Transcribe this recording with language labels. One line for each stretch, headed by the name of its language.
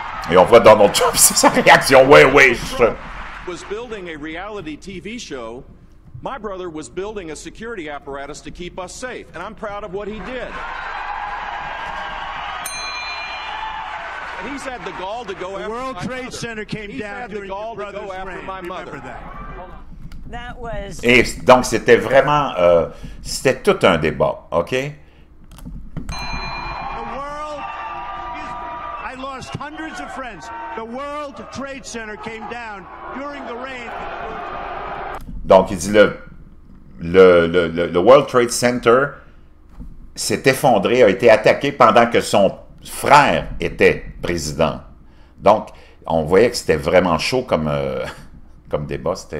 French: Et on voit Donald Trump, c'est sa réaction. Oui, oui.
English: My brother was building a security apparatus to keep us safe, and I'm proud of what he did. And he's had the gall to go after my mother. World Trade Center came down during your brother's reign. Remember that. That was.
French: Et donc c'était vraiment, c'était tout un débat, OK?
English: I lost hundreds of friends. The World Trade Center came down during the reign.
French: Donc il dit le World Trade Center s'est effondré, a été attaqué pendant que son frère était président. Donc on voyait que c'était vraiment chaud comme débat.